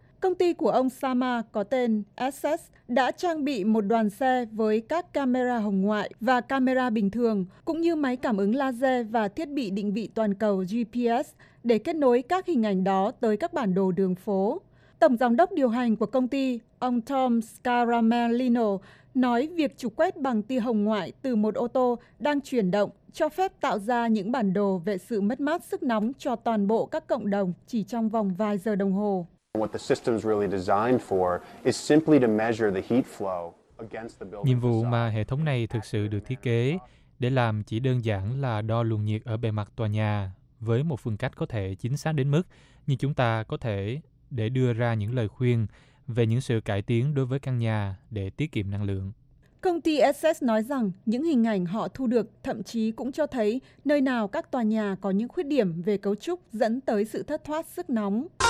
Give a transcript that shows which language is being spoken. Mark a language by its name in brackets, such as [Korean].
[Vietnamese] Công ty của ông Sama có tên SS đã trang bị một đoàn xe với các camera hồng ngoại và camera bình thường, cũng như máy cảm ứng laser và thiết bị định vị toàn cầu GPS để kết nối các hình ảnh đó tới các bản đồ đường phố. Tổng giám đốc điều hành của công ty, ông Tom Scaramellino, nói việc trục quét bằng tia hồng ngoại từ một ô tô đang chuyển động cho phép tạo ra những bản đồ về sự mất mát sức nóng cho toàn bộ các cộng đồng chỉ trong vòng vài giờ đồng hồ. [English] What the system's really designed for is simply to measure the heat flow against the building. [Vietnamese] Nhiệm vụ mà hệ thống này thực sự được thiết kế để làm chỉ đơn giản là đo luồng nhiệt ở bề mặt tòa nhà với một phương cách có thể chính xác đến mức như chúng ta có thể để đưa ra những lời khuyên về những sự cải tiến đối với căn nhà để tiết kiệm năng lượng. Công ty SS nói rằng những hình ảnh họ thu được thậm chí cũng cho thấy nơi nào các tòa nhà có những khuyết điểm về cấu trúc dẫn tới sự thất thoát sức nóng.